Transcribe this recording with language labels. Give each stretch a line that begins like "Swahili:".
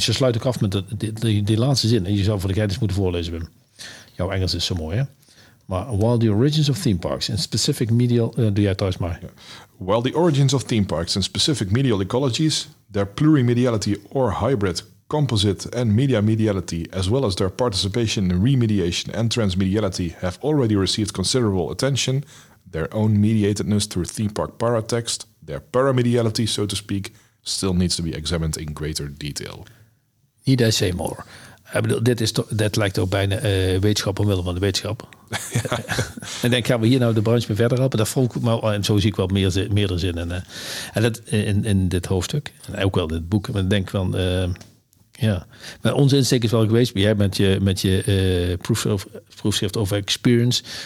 Dutch: Ze sluit ook af met die laatste zin. En je zou voor de geit eens moeten voorlezen, Wim. Jouw Engels is zo mooi, hè? Maar
English: while the origins of theme parks and specific medial,
Dutch: doe jij thuis maar.
English: Yeah. While the origins of theme parks and specific medial ecologies, their plurimediality or hybrid composite and media mediality, as well as their participation in remediation and transmediality, have already received considerable attention. Their own mediatedness through theme park paratext, their paramediality, so to speak, still needs to be examined in greater detail. Need I say more?
Dutch: Ik bedoel, dit is dat lijkt ook bijna wetenschap omwille van de wetenschap. Ja. En dan gaan we hier nou de branche mee verder helpen. Dat vroeg ik me, en zo zie ik wel meerdere zinnen. En dat in dit hoofdstuk, en ook wel in dit boek. Maar ik denk van, ja. Maar onze insteek is wel geweest. Jij met je proefschrift over experience.